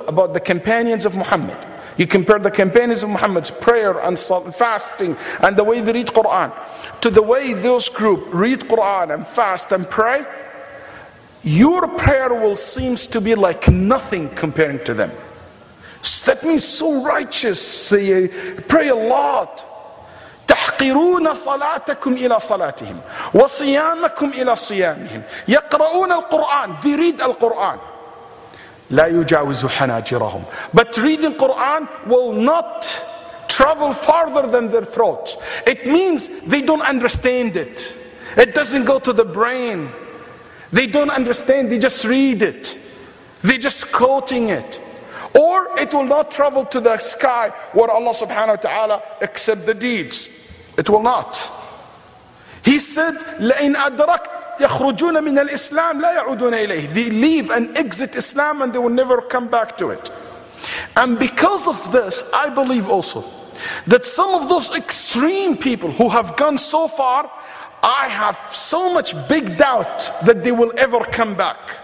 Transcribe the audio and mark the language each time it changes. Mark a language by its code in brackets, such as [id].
[en] About the companions of Muhammad. You compare the companions of Muhammad's prayer and fasting and the way they read Quran to the way those group read Quran and fast and pray, your prayer will seem to be like nothing comparing to them. That means so righteous. Say, pray a lot. [ar] تحقرون صلاتكم إلى صلاتهم وصيامكم إلى صيامهم يقرؤون القرآن. [en] They read the Quran. [ar] لا يجاوز حناجرهم. [en] But reading Quran will not travel farther than their throat. It means they don't understand it. It doesn't go to the brain. They don't understand. They just read it. They just quoting it. Or it will not travel to the sky where Allah subhanahu wa ta'ala accept the deeds. It will not. He said, [ar] لَإِنْ أَدْرَكْتْ يَخْرُجُونَ مِنَ الْإِسْلَامِ لَا يَعُودُونَ إِلَيْهِ. [en] They leave and exit Islam and they will never come back to it. And because of this, I believe also that some of those extreme people who have gone so far, I have so much big doubt that they will ever come back.